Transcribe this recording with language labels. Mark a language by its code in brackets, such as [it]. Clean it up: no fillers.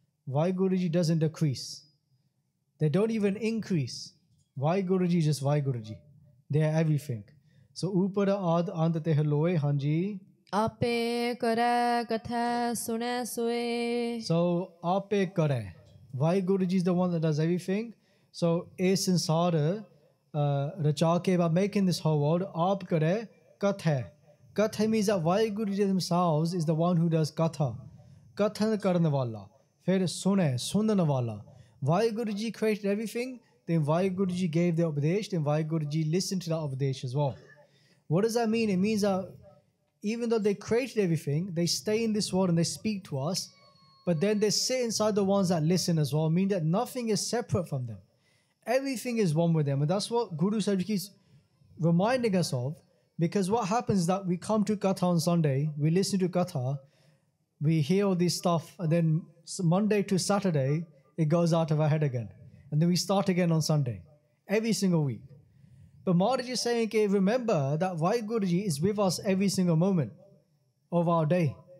[en] Vaheguru Ji doesn't decrease. They don't even increase. Vaheguru Ji is just Vaheguru Ji. They are everything. So [pa] upara ad ant teh loe hanji. Ape kare katha sune sue. [en] So [pa] ape kare. [en] Vaheguru Ji is the one that does everything. So [pa] ਇਹ ਸੰਸਾਰ ਰਚਾ ਕੇ [en] by making this whole world [pa] ਆਪ ਕਰੇ ਕਥੈ ਕਥੈ [en] means that Waheguru ji themselves is the one who does [pa] ਕਥਾ ਕਥਨ ਕਰਨ ਵਾਲਾ ਫਿਰ ਸੁਣੇ ਸੁਣਨ ਵਾਲਾ [en] Waheguru ji created everything then Waheguru ji gave the updesh then Waheguru ji listen to the updesh as well what does that mean it means that even though they created everything they stay in this world and they speak to us but then they sit inside the ones that listen as well mean that nothing is separate from them Everything is one with them. And that's what Guru Sahib is reminding us of. Because what happens is that we come to Katha on Sunday, we listen to Katha, we hear all this stuff, and then Monday to Saturday, it goes out of our head again. And then we start again on Sunday, every single week. But Maharaj is saying, okay, remember that Vaheguru is with us every single moment of our day.